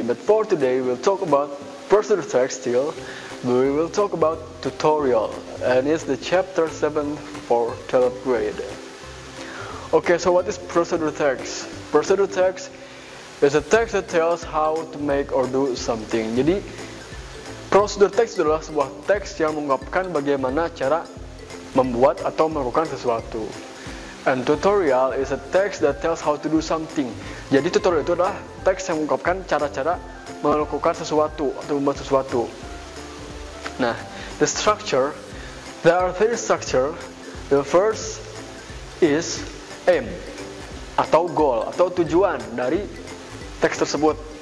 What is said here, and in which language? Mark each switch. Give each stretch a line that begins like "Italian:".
English: But for today we'll talk about personal text still. We will talk about tutorial, and it's the chapter 7 for 12th grade. Okay, so what is personal text? Personal text is a text that tells how to make or do something.
Indonesian: Jadi prosedur teks adalah sebuah teks yang mengungkapkan bagaimana cara membuat atau melakukan sesuatu.
English: And tutorial is a text that tells how to do something.
Indonesian: Jadi tutorial itu adalah teks yang mengungkapkan cara-cara melakukan sesuatu atau membuat sesuatu.
English: Nah, the structure, there are three structure. The first is aim
Indonesian: atau goal atau tujuan dari teks tersebut.